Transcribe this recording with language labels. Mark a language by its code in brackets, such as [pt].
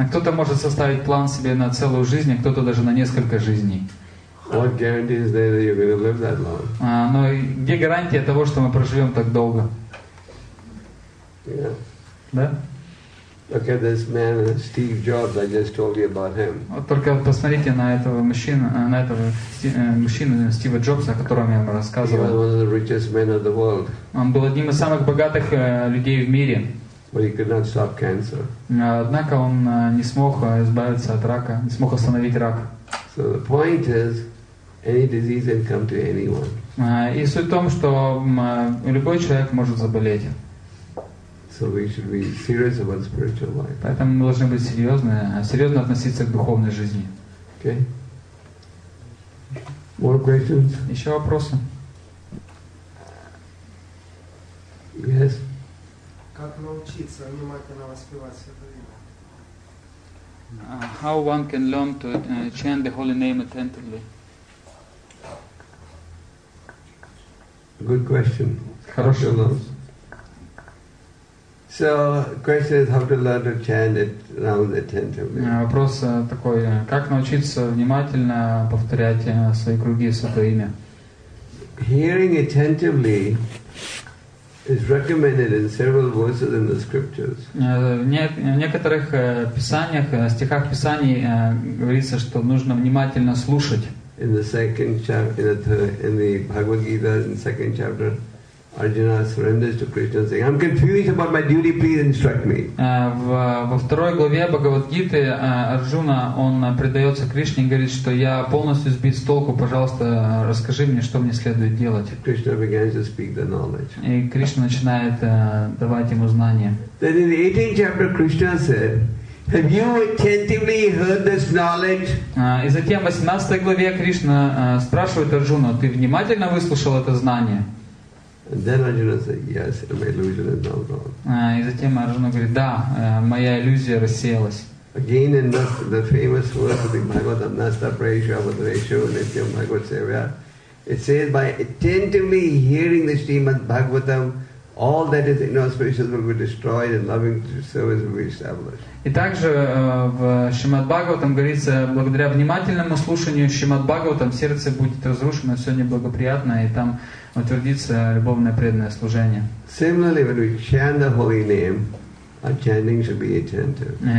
[ru] Кто-то может составить план себе на целую жизнь, а кто-то даже на несколько жизней. [en] What guarantee is there that you're going to live that long? [ru] Но где гарантия того, что мы проживем так долго? [en] Yeah. [ru] Да? [en] Look at this man, Steve Jobs. I just told you about him. [ru] Вот только посмотрите на этого мужчину, Стива Джобса, о котором я вам рассказывал. [en] He was one of the richest men of the world. [ru] Он был одним из самых богатых людей в мире. [en] But he could not stop cancer. [ru] Однако он не смог избавиться от рака, не смог остановить рак. [en] So the point is, any disease can come to anyone. [ru] И суть в том, что любой человек может заболеть. [en] So we should be serious about spiritual life. [ru] Поэтому мы должны быть серьезны, серьезно относиться к духовной жизни. [en] Okay. More questions? [ru] Еще вопросы? [en] Yes. [ru] Как научиться внимательно воспевать Святое Имя? [en] How one can learn to chant the Holy Name attentively? Good question. [ru] Хороший вопрос. [en] So, question is how to learn to chant it round attentively. [ru] Вопрос такой: как научиться внимательно повторять свои круги Святое Имя? [en] Hearing attentively is recommended in several verses in the scriptures. [ru] В некоторых писаниях, стихах писаний говорится, что нужно внимательно слушать. [en] In the second chapter, in the Bhagavad Gita, in the second chapter. Arjuna surrenders to Krishna, saying, "I'm confused about my duty. Please instruct me." [ru] Во второй главе Бхагавад-гиты Арджуна он предается Кришне и говорит, что я полностью сбит с толку. Пожалуйста, расскажи мне, что мне следует делать. [en] Krishna begins to speak the knowledge. [ru] И Кришна начинает давать ему знания. [en] Then in the 18th chapter, Krishna said. Have you attentively heard this knowledge? [ru] И затем в 18 главе Кришна спрашивает Арджуну: "Ты внимательно выслушал это знание?" [en] And then Arjuna said, "Yes, my illusion is now gone." [ru] И затем Арджуна говорит: "Да, моя иллюзия рассеялась." [en] Again, in the famous words of the Bhagavatam, [sa] "Nasta Prasya Vadreshu Nityam Bhagavat Sevya," [en] it says, "By attentively hearing the Srimad Bhagavatam, all that is inauspicious will be destroyed, and loving service will be established." [ru] И также в Шримад Бхагаватам говорится, благодаря внимательному слушанию Шримад Бхагаватам сердце будет разрушено, все неблагоприятное, и там утвердится любовное преданное служение. [en] Similarly, when we chant the holy name, our chanting should be attentive.